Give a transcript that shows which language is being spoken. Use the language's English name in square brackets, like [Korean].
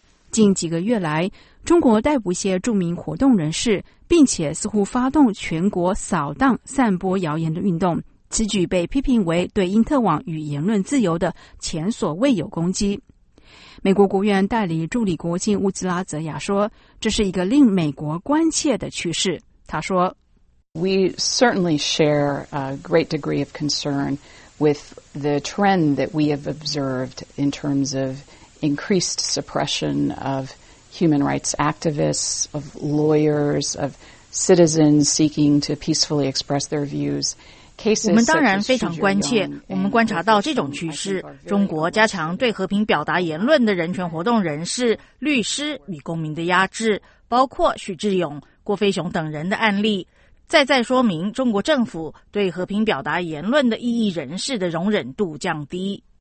[Chinese] 近几个月来，中国逮捕些著名活动人士，并且似乎发动全国扫荡散播谣言的运动，此举被批评为对因特网与言论自由的前所未有攻击。美国国务院代理助理国务卿乌兹拉·泽雅说，这是一个令美国关切的趋势。他说 [English] We certainly share a great degree of concern with the trend that we have observed in terms of increased suppression of human rights activists, of lawyers, of citizens seeking to peacefully express their views. [Chinese] 我们当然非常关切，我们观察到这种趋势，中国加强对和平表达言论的人权活动人士、律师与公民的压制，包括许志勇、郭飞雄等人的案例，再说明中国政府对和平表达言论的异议人士的容忍度降低。